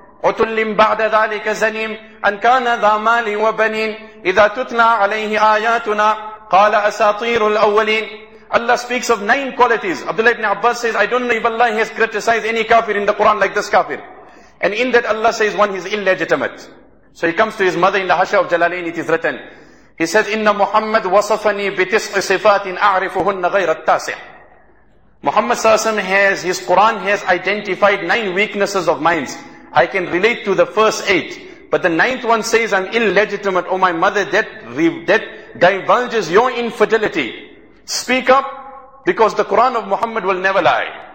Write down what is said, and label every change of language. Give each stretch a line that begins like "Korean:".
Arabic: عُتُلِّمْ بَعْدَ ذَلِكَ زَنِيمٌ أَنْ كَانَ ذَا مَالٍ وَبَنِينٌ إِذَا تُتْنَى عَلَيْهِ آيَاتُنَا قال أساطير الأولين.
English: Allah speaks of 9 qualities. Abdullah ibn Abbas says, I don't know if Allah has criticized any kafir in the Quran like this kafir. And in that Allah says, one, he's illegitimate. So he comes to his mother in the Hasha of Jalalain, it is written. He says,
Arabic: إِنَّ مُحَمَّدْ وَصَفَنِي بِتِسْعِ صِفَاتٍ أَعْرِفُهُنَّ غَيْرَ التَّاسِعِ.
English: Muhammad sallallahu alayhi wa sallam, his Quran has identified 9 weaknesses of minds. I can relate to the first 8. But the 9th one says, I'm illegitimate. Oh my mother, that divulges your infidelity. Speak up, because the Quran of Muhammad will never lie.